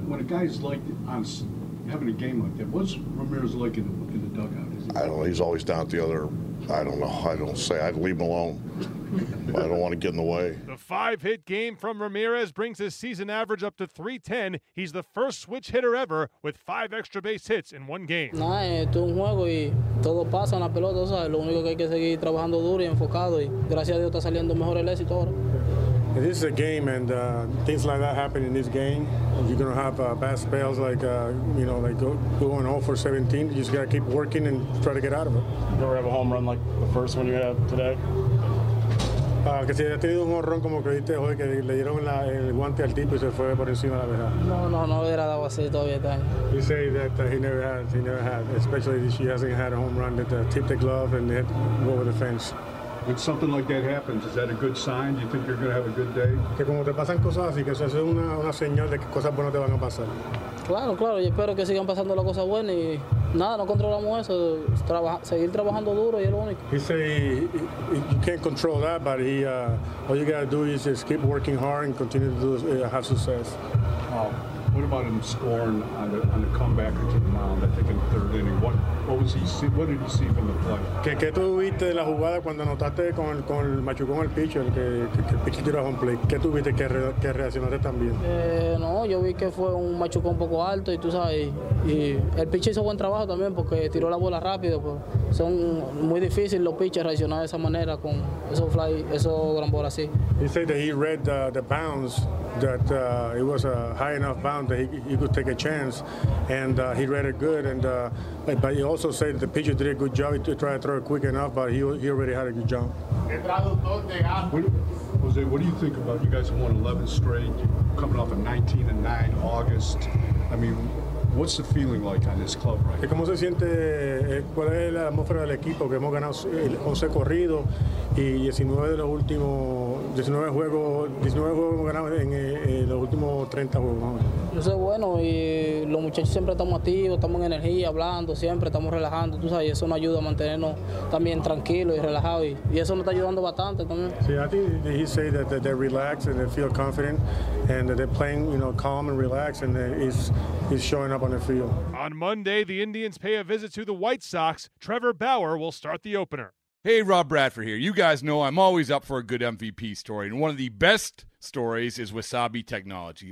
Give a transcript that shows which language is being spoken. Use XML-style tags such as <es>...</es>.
<en>when a guy's like on having a game like that, what's Ramirez like in the dugout? I don't know. He's always down at the other. I don't know. I don't say. I'd leave him alone. I don't want to get in the way. The five-hit game from Ramirez brings his season average up to 310. He's the first switch hitter ever with five extra base hits in one game.</en> <es>Nah, esto es un juego y todo pasa en la pelota, o sea, lo único que hay que seguir trabajando duro y enfocado y gracias a Dios está saliendo mejor el éxito ahora.</es> <en>This is a game, and things like that happen in this game. You're going to have bad spells like, you know, like going 0 for 17. You just got to keep working and try to get out of it. You ever have a home run like the first one you have today?</en> <es>Que si ha tenido un home run como que dijiste hoy, que le dieron el guante al tipo y se fue por encima de la verja. No hubiera dado así todavía.</es> <en>He said that he never had, especially this year, hasn't had a home run that tipped the glove and hit over the fence. When something like that happens, is that a good sign? Do you think you're going to have a good day?</en> <es>Que como te pasan cosas así, que eso es una señal de que cosas buenas te van a pasar. Claro, yo espero que sigan pasando las cosas buenas y nada, no controlamos eso, seguir trabajando duro y es lo único.</es> <en>He said you can't control that, but all you got to do is just keep working hard and continue to have success. Wow. What about him scoring on the comeback to the mound, I think in the third inning? What did he see from the play?</en> <es>¿Qué tú viste de la jugada cuando anotaste con el machucón el pitcher, el que el pitcher tiró a home plate? ¿Qué tú viste que reaccionaste también? No, yo vi que fue un machucón un poco alto y tú sabes, y el pitcher hizo buen trabajo también porque tiró la bola rápido, pero son muy difíciles los pitchers reaccionar de esa manera con esos fly, esos gran bola así.</es> <en>He said that he read the bounce, that it was a high enough bound that he could take a chance, and he read it good, and but he also said the pitcher did a good job. He tried to throw it quick enough, but he already had a good jump. Jose, what do you think about, you guys have won 11 straight, coming off of 19-9 August? I mean, what's the feeling like on this club right now?</en> <es>¿Cómo se siente? ¿Cuál es la atmósfera del equipo? Que hemos ganado 11 corridos y 19 de los últimos 19 juegos hemos ganado en los últimos 30 juegos. Yo sé, bueno, y los muchachos siempre estamos activos, estamos en energía, hablando, siempre estamos relajando, tú sabes, y eso nos ayuda a mantenernos también tranquilos y relajados, y eso nos está ayudando bastante también.</es> <en>Sí, I think he said that they're relaxed and they feel confident and that they're playing, you know, calm and relaxed, and he's showing up on the field. On Monday, the Indians pay a visit to the White Sox. Trevor Bauer will start the opener. Hey, Rob Bradford here. You guys know I'm always up for a good MVP story, and one of the best stories is Wasabi Technology.</en>